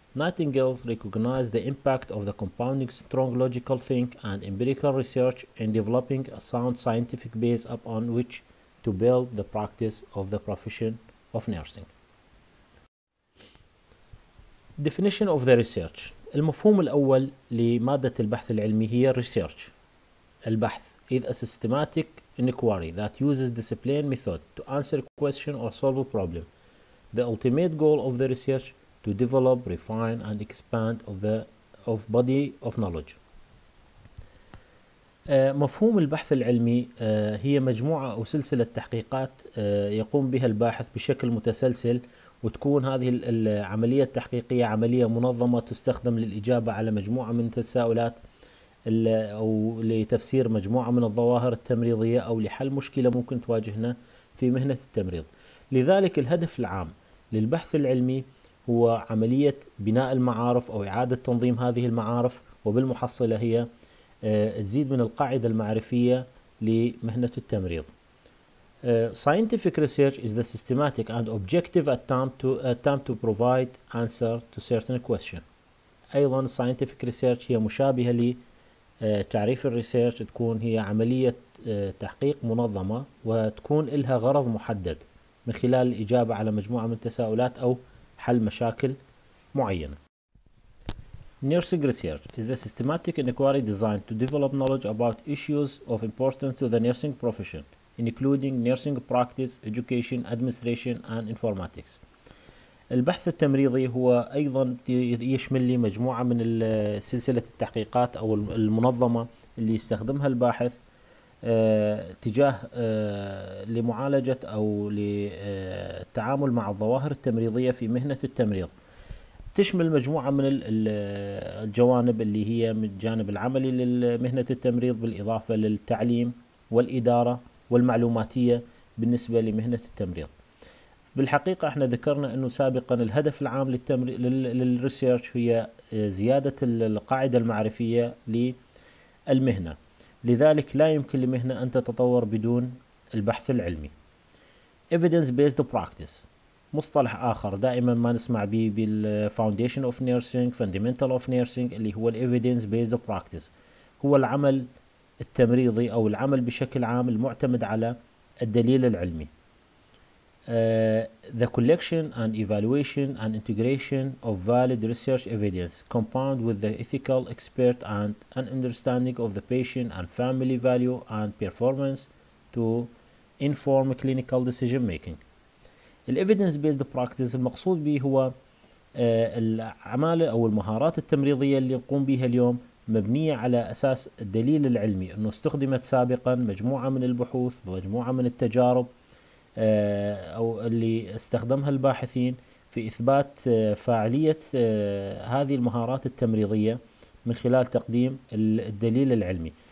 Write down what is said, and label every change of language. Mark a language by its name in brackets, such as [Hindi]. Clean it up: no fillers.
[English] Nightingale recognized the impact of the compounding strong logical think and empirical research in developing a sound scientific base upon which to build the practice of the profession of nursing. Definition of the research. [Arabic] المفهوم الأول لمادة البحث العلمي هي research. [English] البحث is a systematic inquiry that uses discipline method to answer question or solve a problem. The ultimate goal of the research to develop, refine and expand of body of knowledge. [Arabic] مفهوم البحث العلمي هي مجموعة أو سلسلة تحقيقات يقوم بها الباحث بشكل متسلسل، وتكون هذه العملية التحقيقية عملية منظمة تستخدم للإجابة على مجموعة من التساؤلات أو لتفسير مجموعة من الظواهر التمريضية أو لحل مشكلة ممكن تواجهنا في مهنة التمريض. لذلك الهدف العام للبحث العلمي هو عملية بناء المعارف أو إعادة تنظيم هذه المعارف، وبالمحصلة هي تزيد من القاعدة المعرفية لمهنة التمريض. [English] Scientific research is the systematic and objective attempt to provide answer to certain question. [Arabic] أيضا [English] scientific research [Arabic] هي مشابهة ل تعريف الريسيرش، تكون هي عملية تحقيق منظمة وتكون لها غرض محدد من خلال الإجابة على مجموعة من التساؤلات أو حل مشاكل معينة. [English] Nursing research is the systematic inquiry designed to develop knowledge about issues of importance to the nursing profession, including nursing practice, education, administration and informatics. [Arabic] البحث التمريضي هو أيضا يشمل لي مجموعة من سلسلة التحقيقات أو المنظمة اللي يستخدمها الباحث تجاه لمعالجة أو للتعامل مع الظواهر التمريضية في مهنة التمريض. تشمل مجموعة من الجوانب اللي هي من الجانب العملي لمهنة التمريض، بالإضافة للتعليم والإدارة والمعلوماتية بالنسبة لمهنة التمريض. بالحقيقة احنا ذكرنا انه سابقا الهدف العام للريسيرش هي زيادة القاعدة المعرفية للمهنة، لذلك لا يمكن لمهنة ان تتطور بدون البحث العلمي. [English] Evidence based practice، [Arabic] مصطلح اخر دائما ما نسمع به بال [English] foundation of nursing، fundamental of nursing، [Arabic] اللي هو Evidence based practice، هو العمل التمريضي او العمل بشكل عام المعتمد على الدليل العلمي. [English] The collection and evaluation and integration of valid research evidence compound with the ethical expert and an understanding of the patient and family value and performance to inform clinical decision making. The evidence based practice [Arabic] المقصود به هو الأعمال أو المهارات التمريضية اللي نقوم بها اليوم مبنية على أساس الدليل العلمي، أنه استخدمت سابقا مجموعة من البحوث ومجموعة من التجارب أو اللي استخدمها الباحثين في إثبات فاعلية هذه المهارات التمريضية من خلال تقديم الدليل العلمي.